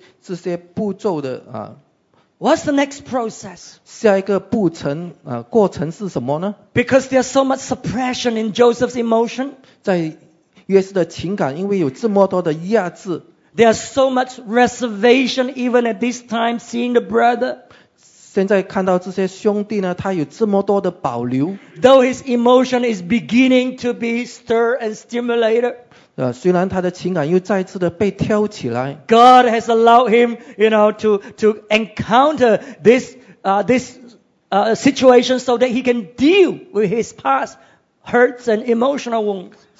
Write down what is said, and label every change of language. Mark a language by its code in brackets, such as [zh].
[zh] 我们等一下才看这些经节，但是我们首先要很清楚地了解，我们需要解决这些步骤的啊。 [en] What's the next process? [zh] 下一个步程, 过程是什么呢? [en] Because there's so much suppression in Joseph's emotion. [zh] 在约瑟的情感, [en] there are so much reservation even at this time seeing the brother. [zh] 现在看到这些兄弟呢, [en] though his emotion is beginning to be stirred and stimulated. [zh] 虽然他的情感又再次的被挑起来, [en] God has allowed him, you know, to encounter this situation so that he can deal with his past hurts and emotional wounds.